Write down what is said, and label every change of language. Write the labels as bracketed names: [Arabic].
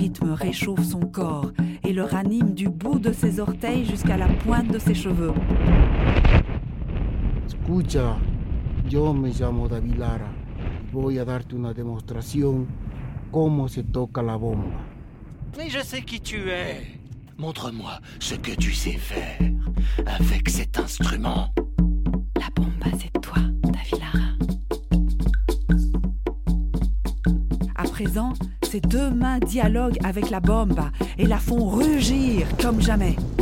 [French] Réchauffe son corps et le ranime du bout de ses orteils jusqu'à la pointe de ses cheveux. [Spanish] Escucha, yo me llamo David Lara. Voy a darte una demostración cómo se toca la bomba. [French] Mais je sais qui tu es. Montre-moi ce que tu sais faire avec cet instrument. La bomba, c'est toi, David Lara. présent, ses deux mains dialoguent avec la bomba et la font rugir comme jamais.